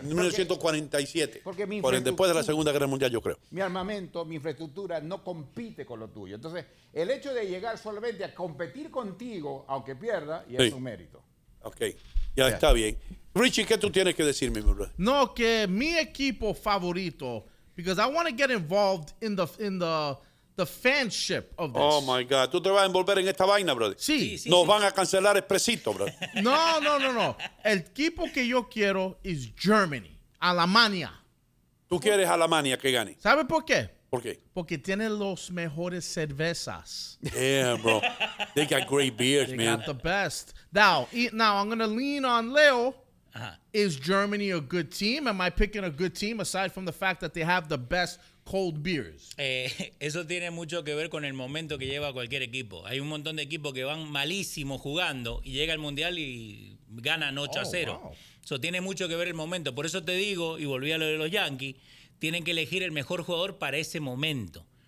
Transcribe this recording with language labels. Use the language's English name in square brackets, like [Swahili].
[Spanish] En 1947. Porque después de la Segunda Guerra Mundial, yo creo. Mi armamento, mi infraestructura no compite con lo tuyo. Entonces, el hecho de llegar solamente a competir contigo, aunque pierda, ya sí, es un mérito. Ok, ya está bien. Richie, ¿qué tú tienes que decirme, mi brother? No, que mi equipo favorito... [English] Because I want to get involved in the fanship of this. Oh, my God. [Spanish] ¿Tú te vas a envolver en esta vaina, brother? Sí. Nos sí, van sí a cancelar Expresito, bro. No. El equipo que yo quiero es Germany. Alemania. ¿Tú quieres Alemania que gane? ¿Sabe por qué? ¿Por qué? Porque tiene los mejores cervezas. [English] Damn, bro. They got great beers, they man. They got the best. Now I'm going to lean on Leo. Uh-huh. Is Germany a good team? Am I picking a good team aside from the fact that they have the best cold beers? [Spanish] Eso tiene mucho que ver con el momento que lleva cualquier equipo. Hay un montón de equipos que van malísimo jugando y llega al Mundial y ganan 8-0. Wow. Eso tiene mucho que ver el momento. Por eso te digo, y volví a lo de los Yankees, tienen que elegir el mejor jugador para ese momento.